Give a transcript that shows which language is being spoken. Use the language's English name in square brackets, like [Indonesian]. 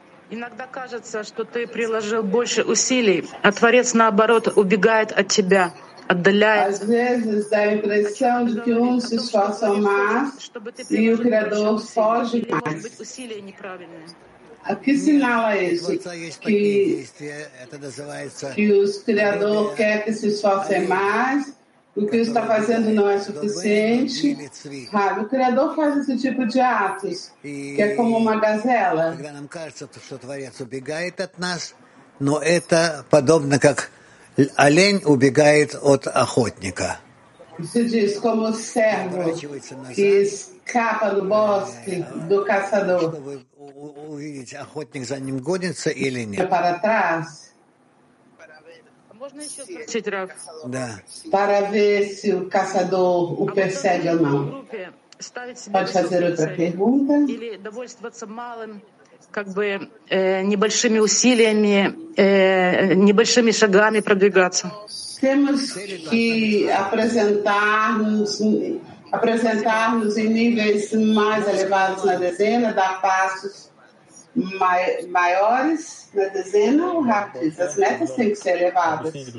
[Russian] Иногда кажется, что ты приложил больше усилий, а Творец, наоборот, убегает от тебя, отдаляет. [Portuguese] Às vezes dá a impressão de que uns se esforçam mais e o Criador foge mais. [Russian] А [Portuguese] que sinal é isso? Que o Criador quer que se esforcem mais, o que está fazendo não é suficiente. Ah, o Criador faz esse tipo de atos, que é como uma gazela. [Russian] Когда нам кажется, что Творец убегает от нас, но это подобно как олень убегает от охотника. [Portuguese] Você diz, como servo que escapa do bosque do caçador. [Russian] Чтобы увидеть, охотник за ним гонится или нет. [Portuguese] Para trás. Para ver se o caçador o persegue ou não. Pode fazer outra pergunta? [Russian] Или довольствоваться малым, как бы небольшими усилиями, небольшими шагами продвигаться? [Portuguese] Temos que apresentar-nos em níveis mais elevados na dezena, dar passos maiores na dezena ou rápidos? As metas têm que ser elevadas.